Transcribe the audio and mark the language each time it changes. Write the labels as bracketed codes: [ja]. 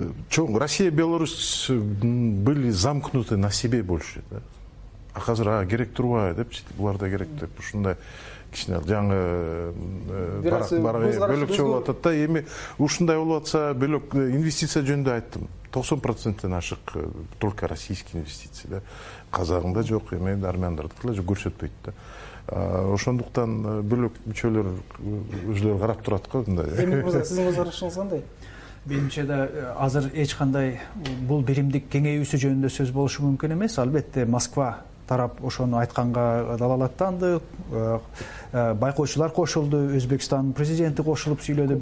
[ru] Чоң Россия, Беларусь были замкнуты на себе больше. Да? [ky] А азыр керек турбайбы деп, буларда керек деп ушундай кичине жаңы бөлөкчө болуп атат да. Эми ушундай болуп атса, бөлөк инвестиция жөнүндө айттым. 90%тен ашык [ru] только российский [ky] инвестиция да. Казагында жок, эми армяндардыкы эле көрсөтпөйт да. Ошондуктан бөлөк мүчөлөр өзүлөрү карап турат го мындай. Эми мырза, сиздин көзкарашыңыз кандай? Менимче да азыр эч кандай бул биримдик кеңейүүсү жөнүндө сөз болушу мүмкүн эмес. Албетте Москва тарап ошону айтканга далалаттанды, байкоочулар кошулду, Өзбекстан президенти кошулуп сүйлөдү.